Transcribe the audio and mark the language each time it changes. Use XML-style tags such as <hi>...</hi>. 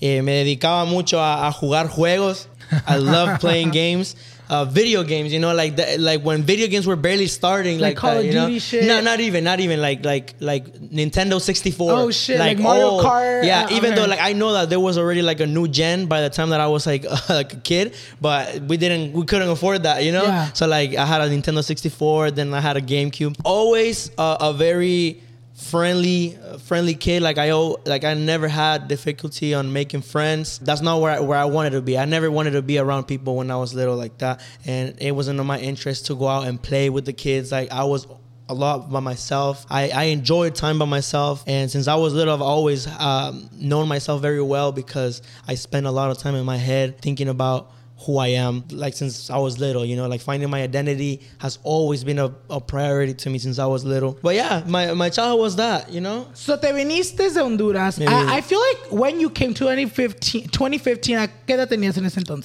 <es>Me dedicaba mucho a jugar juegos.</es> <en>I love playing games. Video games, you know, like when video games were barely starting, like Call of Duty, you know? Shit. Not even like Nintendo 64. Oh shit! Like Mario Kart. Yeah, though like I know that there was already like a new gen by the time that I was like a kid, but we couldn't afford that, you know. Yeah. So like I had a Nintendo 64, then I had a GameCube. Always a very friendly kid. I never had difficulty on making friends. That's not where I wanted to be. I never wanted to be around people when I was little like that, and it wasn't in my interest to go out and play with the kids. Like I was a lot by myself. I enjoyed time by myself, and since I was little, I've always known myself very well because I spent a lot of time in my head thinking about who I am, like since I was little, you know, like finding my identity has always been a priority to me since I was little. But yeah, my childhood was that, you know?</en> <es>So te viniste de Honduras.</es> <en>I feel like when you came 2015,</en> <es>¿a qué edad tenías en ese entonces?</es>